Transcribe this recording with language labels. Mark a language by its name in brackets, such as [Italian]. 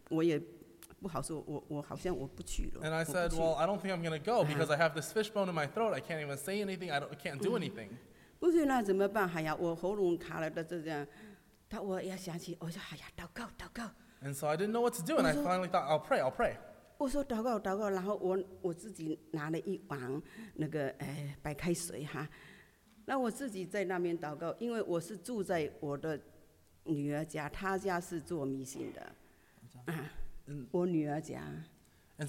[Chinese] 但我这个鱼丸卡了，我说哎呀，你明天去，我说我不去，我这个喉咙啊，鱼丸卡了，我讲话也讲不出来。但是你叫我做什么，我没声音了，我也不好说，我好像我不去了。And [English] I said, well, I don't think I'm going to go because I have this fishbone in my throat. I can't even say anything. I can't do anything. [Chinese] 不是那怎么办？哎呀，我喉咙卡了的这样，但我要想起，我说哎呀，祷告，祷告。 [English] And so I didn't know what to do, and I finally thought, I'll pray. [Chinese] 我说祷告，然后我自己拿了一碗那个白开水哈，那我自己在那边祷告，因为我是住在我的女儿家，她家是做迷信的，我女儿家。And